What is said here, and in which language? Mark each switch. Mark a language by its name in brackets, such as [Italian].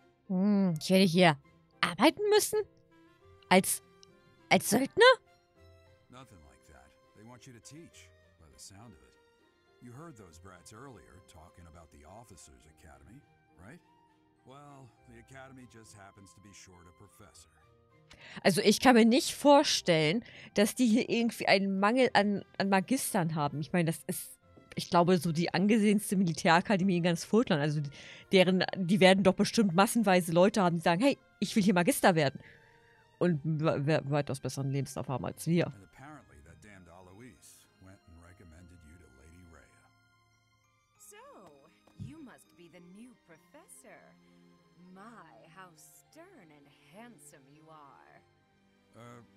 [German] Ich werde hier arbeiten müssen? Als Söldner? [English] Nothing like that. They want you to teach, by the sound of it. You heard those brats earlier talking about the Officers' Academy, right? Well, the academy just happens to be short a professor. [German] Also, ich kann mir nicht vorstellen, dass die hier irgendwie einen Mangel an Magistern haben. Ich meine, das ist, ich glaube, so die angesehenste Militärakademie in ganz Fultland. Also, die werden doch bestimmt massenweise Leute haben, die sagen, hey, ich will hier Magister werden. Und weitaus besseren Lebenslauf haben als wir. [English] And apparently that damned Alois went and recommended you to Lady Rhea. So, you must be the new professor. My, how stern and handsome you are.